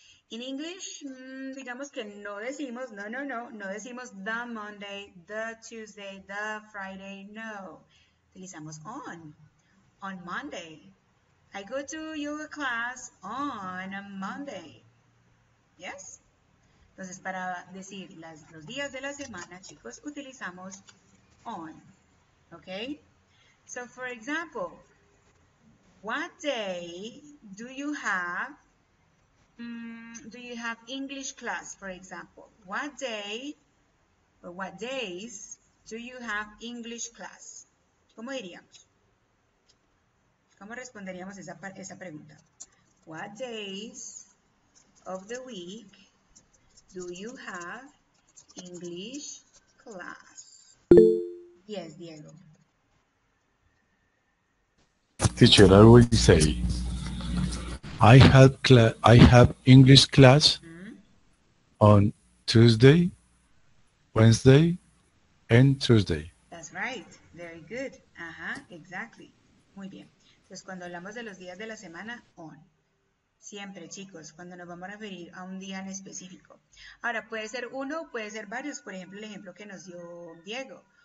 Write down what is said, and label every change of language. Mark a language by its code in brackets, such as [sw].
[en] In English, [es] digamos que no decimos, no decimos [en] the Monday, the Tuesday, the Friday, [es] no. [en] Utilizamos on Monday. I go to yoga class on a Monday. Yes? [es] Entonces, para decir los días de la semana, chicos, utilizamos on. [en] Okay? So, for example, what day do you have? Do you have English class, for example? What day or what days do you have English class? [es] ¿Cómo diríamos? ¿Cómo responderíamos esa pregunta? [en] What days of the week do you have English class? Yes, Diego. Teacher, I would say, I have English class on Tuesday, Wednesday, and Thursday. That's right. Very good. Ajá, exactly. [es] Muy bien. Entonces, cuando hablamos de los días de la semana, on. Siempre, chicos, cuando nos vamos a referir a un día en específico. Ahora, puede ser uno o puede ser varios. Por ejemplo, el ejemplo que nos dio Diego.